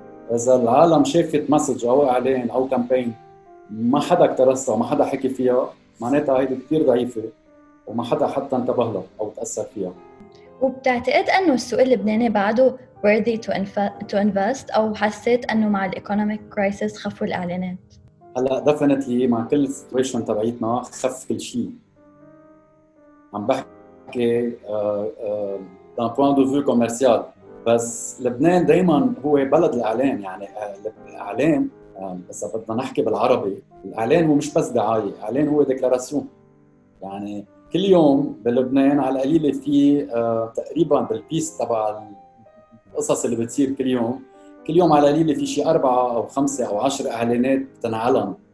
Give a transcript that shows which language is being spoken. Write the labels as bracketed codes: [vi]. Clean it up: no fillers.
[ar] اذا العالم شافت مسج او اعلان او كامبين ما حدا اكترسها وما حدا حكي فيها، معناتها هيدي كثير ضعيفه وما حدا حتى انتبه لها او تاثر فيها. وبتعتقد انه السوق اللبناني بعده [en] worthy to invest [ar] او حسيت انه مع الايكونوميك كرايسيس خفوا الاعلانات؟ هلا definitely مع كل situation تبعيتنا خف كل شيء. عم بحكي [fr] d'un point de vue commercial. [ar] بس لبنان دائما هو بلد الإعلان، يعني الإعلان بس بدنا نحكي بالعربي، الإعلان هو مش بس دعاية، الإعلان هو ديكلاراسيون. يعني كل يوم بلبنان على القليلة في تقريبا بالبيس تبع القصص اللي بتصير كل يوم، كل يوم على القليلة في شيء 4 أو 5 أو 10 إعلانات بتنعلن.